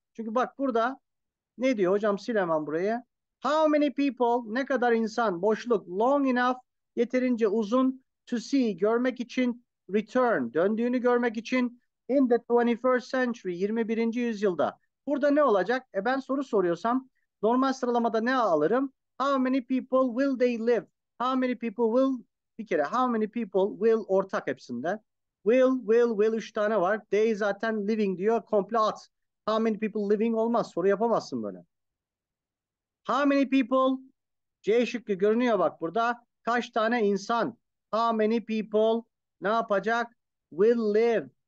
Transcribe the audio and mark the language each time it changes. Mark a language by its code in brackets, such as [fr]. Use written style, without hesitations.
[tr] Çünkü bak burada ne diyor? Hocam sil hemen burayı. [en] How many people, [tr] ne kadar insan, boşluk, [en] long enough, [tr] yeterince uzun, to see, görmek için, return, döndüğünü görmek için, [en] in the 21st century, [tr] 21. yüzyılda. Burada ne olacak? Ben soru soruyorsam, normal sıralamada ne alırım? [en] How many people will they live? How many people will, [tr] bir kere, [en] how many people will, [tr] ortak hepsinde. Will, üç tane var. They zaten living diyor, komple at. [en] How many people living [tr] olmaz, soru yapamazsın böyle. [en] How many people? [tr] C şıkkı görünüyor bak burada. Kaç tane insan? [en] How many people [tr] ne yapacak? [en] Will live.